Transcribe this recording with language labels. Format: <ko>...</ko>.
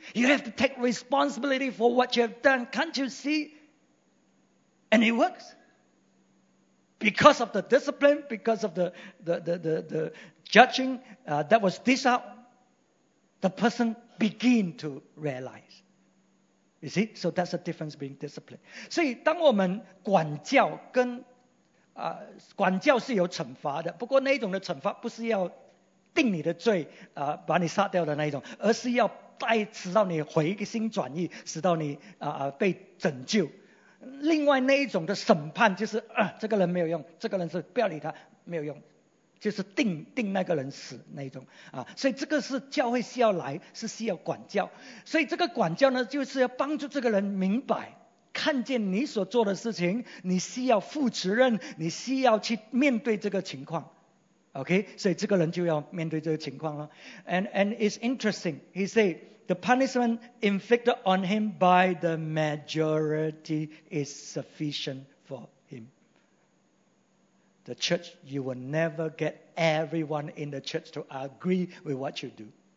<en>You have to take responsibility for what you have done, can't you see? And it works. Because of the discipline, because of the judging that was dished out, the person begin to realize. You see? So that's the difference being disciplined.</en> <zh>所以当我们管教跟管教是有惩罚的，不过那一种的惩罚不是要定你的罪把你杀掉的那一种，而是要带使到你回心转意，使到你被拯救。另外那一种的审判就是这个人没有用，这个人是不要理他，没有用，就是定那个人死那一种所以这个是教会需要来，是需要管教。所以这个管教呢，就是要帮助这个人明白，看见你所做的事情，你需要负责任，你需要去面对这个情况。 OK, 所以这个人就要面对这个情况了。</zh> <en>And it's interesting, he said,the punishment inflicted on him by the majority is sufficient for him. the church, you will never get everyone in the church to agree with what you do.</en>